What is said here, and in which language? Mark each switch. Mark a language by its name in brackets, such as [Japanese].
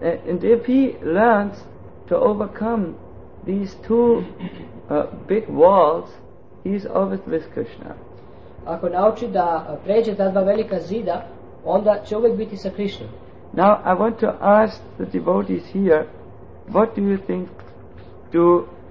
[English] And if he learns to overcome these two big walls, he is always with Krishna. [Serbian] Ako nauči da pređe ta dva velika zida, onda će uvek biti sa Krishnom. [English] Now I want to ask the devotees here, what do you think do